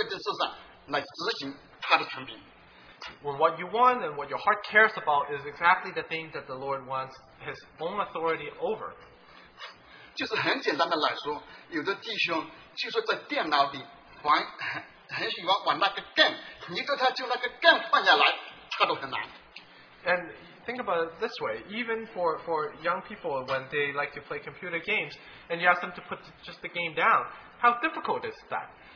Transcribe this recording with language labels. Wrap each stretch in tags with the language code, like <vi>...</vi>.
<zh>我所喜欢的，我所要的，神就叫你让他的，神就要他的权柄，在你这件事上，在你心所在乎的这件事上，来执行他的权柄。</zh> <en>When what you want and what your heart cares about is exactly the thing that the Lord wants His own authority over.</en> <zh>就是很简单的来说，有的弟兄就是在电脑里玩。</zh> <en>And think about it this way, even for young people when they like to play computer games and you ask them to put just the game down, how difficult is that?</en>